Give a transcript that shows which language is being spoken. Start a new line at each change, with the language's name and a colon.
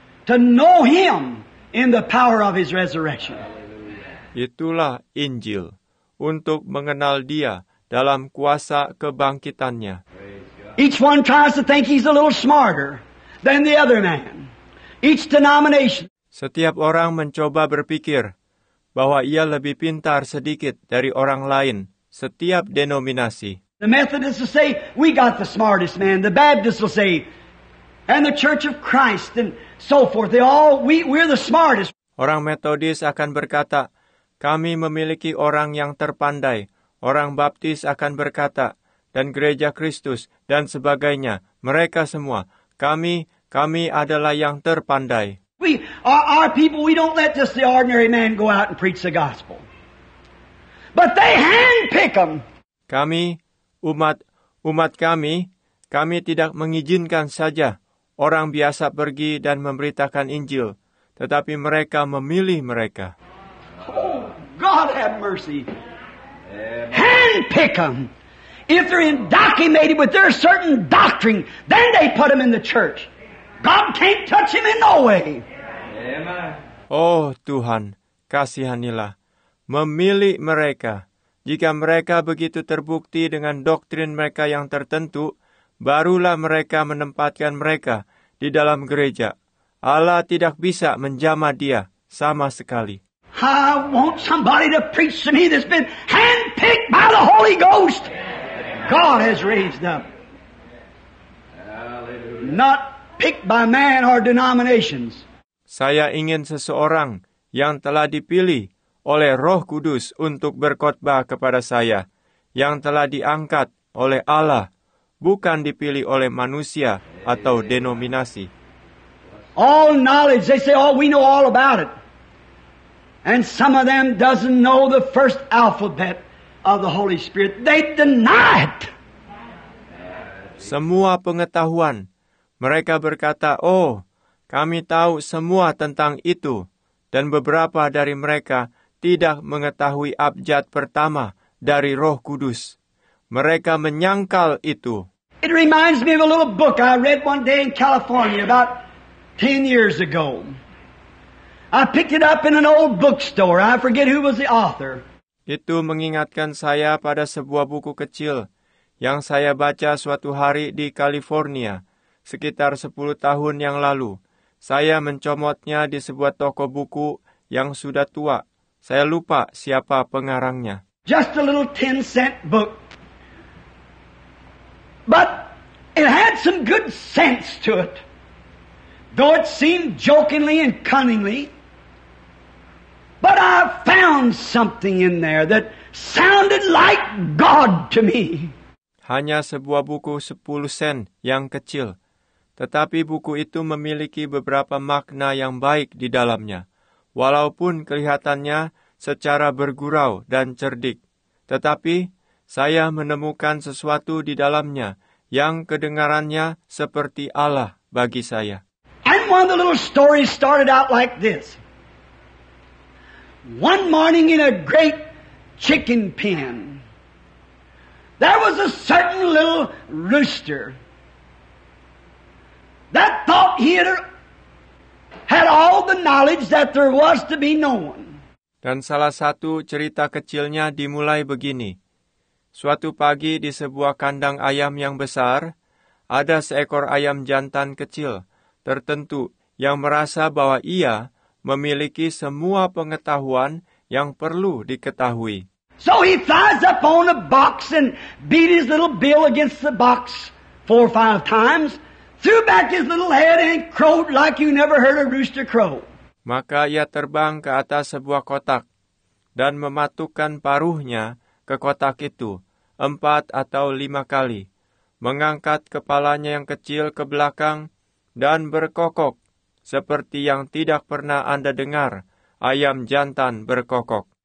English: To know Him in the power of His resurrection. Hallelujah.
Indonesian: Itulah Injil, untuk mengenal Dia dalam kuasa kebangkitannya.
English: Each one tries to think he's a little smarter than the other man. Each denomination.
Indonesian: Setiap orang mencoba berpikir bahwa ia lebih pintar sedikit dari orang lain, setiap denominasi.
English: The Methodists will say, we got the smartest man. The Baptists will say, and the Church of Christ, and so forth. We're the smartest.
Indonesian: Orang Metodis akan berkata, kami memiliki orang yang terpandai. Orang Baptis akan berkata, dan Gereja Kristus, dan sebagainya. Mereka semua, kami adalah yang terpandai.
English: Our people, we don't let just the ordinary man go out and preach the gospel. But they handpick them.
Indonesian: Kami, umat kami, kami tidak mengizinkan saja orang biasa pergi dan memberitakan Injil, tetapi mereka memilih mereka.
English: Oh, God have mercy. Handpick them. If they're indoctrinated with their certain doctrine, then they put them in the church. God can't touch him in no way.
Indonesian: Oh Tuhan, kasihanilah. Memilih mereka. Jika mereka begitu terbukti dengan doktrin mereka yang tertentu, barulah mereka menempatkan mereka di dalam gereja. Allah tidak bisa menjamah dia sama sekali.
English: I want somebody to preach to me that's been handpicked by the Holy Ghost. God has raised up. Not picked by man or denominations.
Indonesian: Saya ingin seseorang yang telah dipilih oleh Roh Kudus untuk berkhotbah kepada saya, yang telah diangkat oleh Allah, bukan dipilih oleh manusia atau denominasi.
English: All knowledge, they say, oh, we know all about it. And some of them doesn't know the first alphabet of the Holy Spirit. They deny it.
Indonesian: Semua pengetahuan, mereka berkata, oh, kami tahu semua tentang itu, dan beberapa dari mereka tidak mengetahui abjad pertama dari Roh Kudus. Mereka menyangkal itu.
English: It reminds me of a little book I read one day in California about 10 years ago. I picked it up in an old bookstore. I forget who was the author.
Indonesian: Itu mengingatkan saya pada sebuah buku kecil yang saya baca suatu hari di California sekitar 10 tahun yang lalu. Saya mencomotnya di sebuah toko buku yang sudah tua. Saya lupa siapa pengarangnya.
English: Just a little 10-cent book. But it had some good sense to it. Though it seemed jokingly and cunningly. But I found something in there that sounded like God to me.
Indonesian: Hanya sebuah buku 10 sen yang kecil. Tetapi buku itu memiliki beberapa makna yang baik di dalamnya. Walaupun kelihatannya secara bergurau dan cerdik. Tetapi saya menemukan sesuatu di dalamnya yang kedengarannya seperti Allah bagi saya.
English: And one of the little stories started out like this. One morning in a great chicken pen, there was a certain little rooster that thought he had all the knowledge that there was to be known.
Indonesian: Dan salah satu cerita kecilnya dimulai begini. Suatu pagi di sebuah kandang ayam yang besar, ada seekor ayam jantan kecil tertentu yang merasa bahwa ia memiliki semua pengetahuan yang perlu diketahui.
English: So he flies up on a box and beat his little bill against the box 4 or 5 times, threw back his little head and crowed like you never heard a rooster crow.
Indonesian: Maka ia terbang ke atas sebuah kotak dan mematukkan paruhnya ke kotak itu 4 atau 5 kali, mengangkat kepalanya yang kecil ke belakang dan berkokok seperti yang tidak pernah Anda dengar ayam jantan berkokok.